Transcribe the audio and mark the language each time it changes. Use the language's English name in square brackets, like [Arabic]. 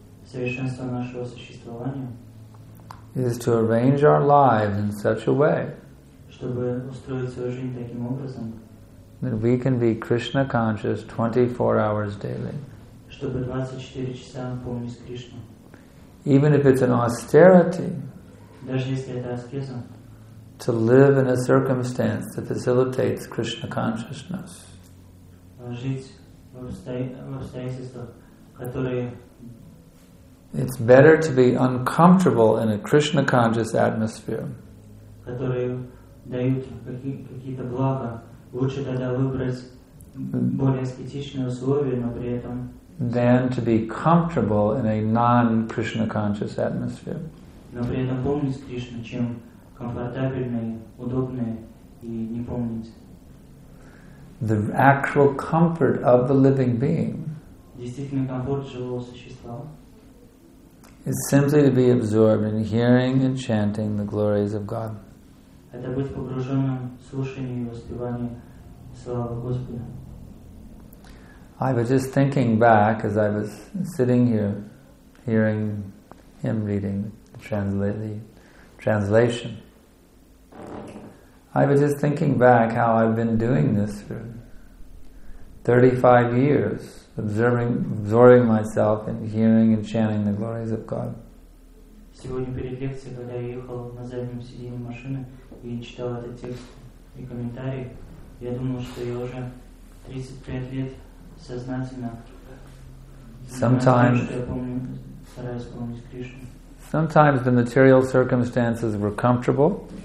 [Russian] Совершенство нашего существования. [English] Is to arrange our lives in such a way. [Russian] Чтобы устроить свою жизнь таким образом. [English] That we can be Krishna conscious 24 hours daily. [Russian] Чтобы 24 часа мы помнили Кришну. [English] Even if it's an austerity. [Russian] Даже если это аскеза. [English] To live in a circumstance that facilitates Krishna consciousness. [Russian] Жить в обстоятельствах, которые. [English] It's better to be uncomfortable in a Krishna conscious atmosphere. [Russian] Которые дают какие-то блага. Лучше тогда выбрать более аскетичные условия, но при этом. [English] Than to be comfortable in a non-Krishna conscious atmosphere. [Russian] Но при этом помнить Кришну, чем комфортабельное, удобное и не помнить. [English] The actual comfort of the living being. [Russian] Действительно комфорт живого существа. [English] Is simply to be absorbed in hearing and chanting the glories of God. [Russian] Это быть погруженным в слушание и воспевание славы Господа. [English] I was just thinking back as I was sitting here, hearing him reading the translation. I was just thinking back how I've been doing this for 35 years, absorbing myself in hearing and chanting the glories of God. [Russian] Сегодня перед лекцией, когда я ехал на заднем сиденье машины и читал этот текст и комментарий, я думал, что я уже 35 лет сознательно. [English] Sometimes the material circumstances were comfortable.